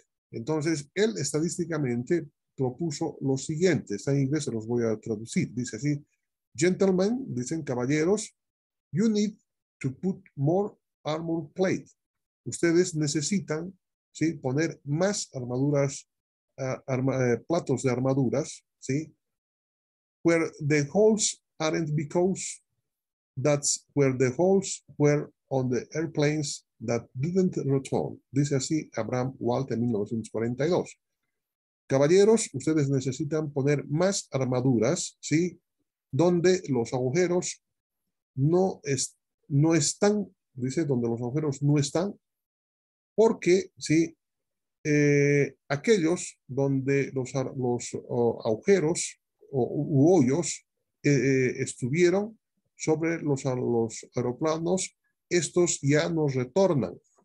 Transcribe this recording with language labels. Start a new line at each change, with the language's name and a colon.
Spanish: Entonces, él estadísticamente propuso lo siguiente, está en inglés, se los voy a traducir, dice así,
English: gentlemen,
Spanish: dicen caballeros,
English: you need to put more armor plate.
Spanish: Ustedes necesitan, ¿sí?, poner más armaduras, platos de armaduras, ¿sí?
English: Where the holes aren't, because that's where the holes were on the airplanes that didn't return.
Spanish: Dice así Abraham Walt en 1942. Caballeros, ustedes necesitan poner más armaduras, ¿sí?, donde los agujeros no están, dice, donde los agujeros no están, porque, ¿sí?, aquellos donde los agujeros u hoyos estuvieron sobre los aeroplanos, estos ya no retornan.